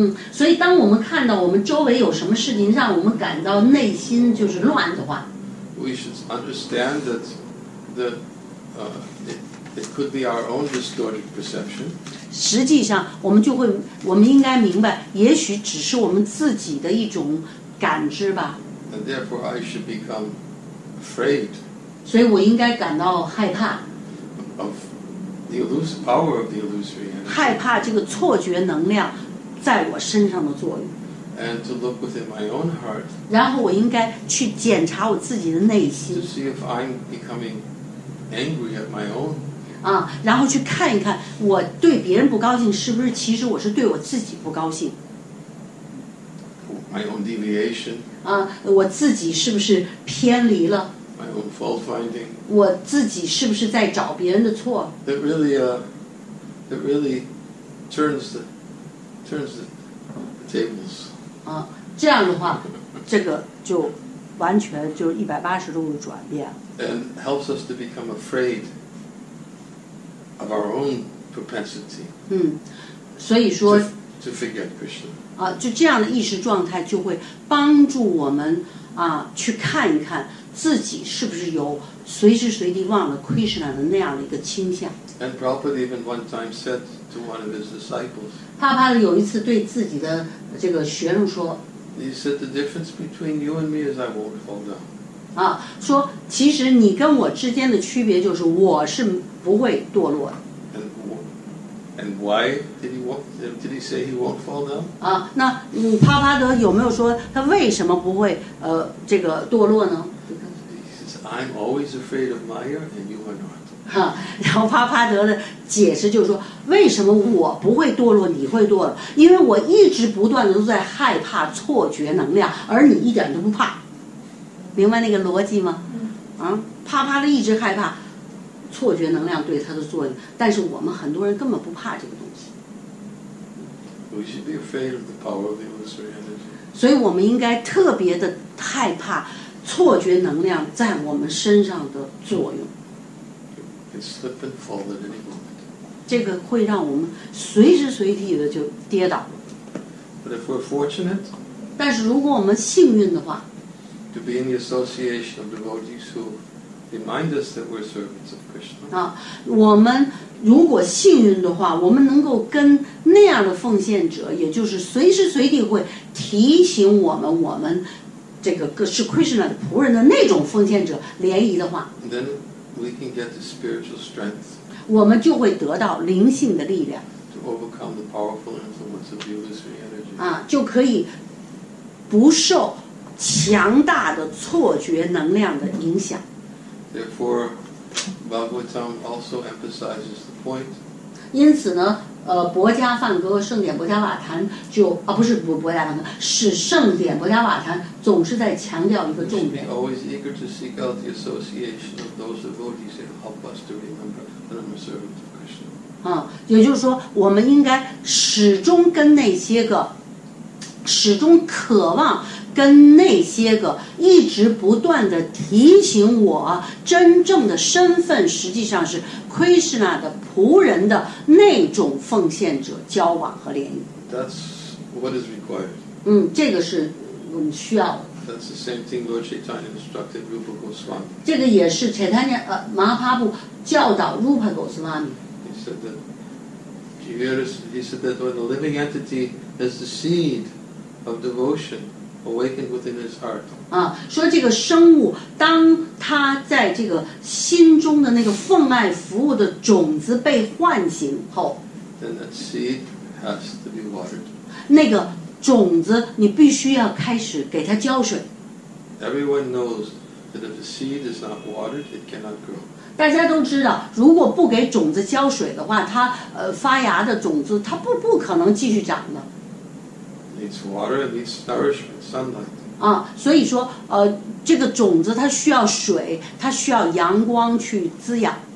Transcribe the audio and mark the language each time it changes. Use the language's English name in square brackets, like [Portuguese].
[Chinese] 所以当我们看到我们周围有什么事情让我们感到内心就是乱的话， [English] We should understand that it could be our own distorted perception. [Chinese] 实际上我们就会我们应该明白也许只是我们自己的一种感知吧。 [English] And therefore I should become afraid. [Chinese] 所以我应该感到害怕。 [English] Of the illusory power of the illusory energy. [Chinese] 害怕这个错觉能量在我身上的作用。 [English] And to look within my own heart, [Chinese] 然后我应该去检查我自己的内心。 [English] To see if I'm becoming angry at my own. [Chinese] 然后去看一看我对别人不高兴，是不是其实我是对我自己不高兴。 [English] My own deviation. [Chinese] 我自己是不是偏离了。 [English] My own fault finding. [Chinese] 我自己是不是在找别人的错。 [English] It really turns the tables. [Chinese] 这样的话，这个就完全就180度的转变了。 [English] And helps us to become afraid of our own propensity. [Chinese] 所以说。 [English] To forget Krishna. [Chinese] 就这样的意识状态就会帮助我们去看一看自己是不是有随时随地忘了 Krishna 的那样的一个倾向。 [English] And Prabhupada even one time said to one of his disciples, [Chinese] 帕帕有一次对自己的这个学生说, [English] He said, the difference between you and me is I won't fall down. [Chinese] 说其实你跟我之间的区别就是我是不会堕落的。 [English] And why did he say he won't fall down? [Chinese] 那帕帕德有没有说他为什么不会这个堕落呢? [English] He says, I'm always afraid of Maya and you are not. [Chinese] 然后帕帕德的解释就是说，为什么我不会堕落，你会堕落？因为我一直不断的都在害怕错觉能量，而你一点都不怕。明白那个逻辑吗？帕帕德一直害怕错觉能量对他的作用，但是我们很多人根本不怕这个东西。 [English] We should be afraid of the power of the illusory energy. [Chinese] 所以我们应该特别的害怕错觉能量在我们身上的作用。 [English] Slip and fall at any moment. [Chinese] 这个会让我们随时随地的就跌倒。 [English] But if we're fortunate, [Chinese] 但是如果我们幸运的话， [English] to be in the association of devotees who remind us that we're servants of Krishna. [Chinese] 我们如果幸运的话，我们能够跟那样的奉献者，也就是随时随地会提醒我们，我们这个是 Krishna 的仆人的那种奉献者联谊的话， [English] then we can get the spiritual strength， [Chinese] 我们就会得到灵性的力量， [English] to overcome the powerful influence of illusory energy， [Chinese] 就可以不受强大的错觉能量的影响。 [English] Therefore, Bhagavatam also emphasizes the point. [Chinese] 因此呢，博迦梵歌圣典博迦瓦坛就啊，不是不博迦梵歌，是圣典博迦瓦坛总是在强调一个重点。 [English] We always eager to seek out the association of those devotees and help us to remember that I'm a servant of Krishna. [Chinese] 也就是说，我们应该始终跟那些个，始终渴望跟那些个一直不断的提醒我真正的身份实际上是 Krishna 的仆人的那种奉献者交往和联谊。 [English] That's what is required. [Chinese] 这个是我们需要的。 [English] That's the same thing Lord Chaitanya instructed Rupa Goswami. [Chinese] 这个也是 Chaitanya Mahaprabhu 教导 Rupa Goswami. [English] He said that when the living entity is the seed of devotion,awakened within his heart. [Chinese] 说这个生物当他在这个心中的那个奉爱服务的种子被唤醒后， [English] then that seed has to be watered. [Chinese] 那个种子你必须要开始给它浇水。 [English] Everyone knows that if the seed is not watered, it cannot grow. [Chinese] 大家都知道，如果不给种子浇水的话，它发芽的种子它不可能继续长的。 [English] Needs water, needs nourishment, sunlight. [Chinese] 所以说，这个种子它需要水，它需要阳光去滋养。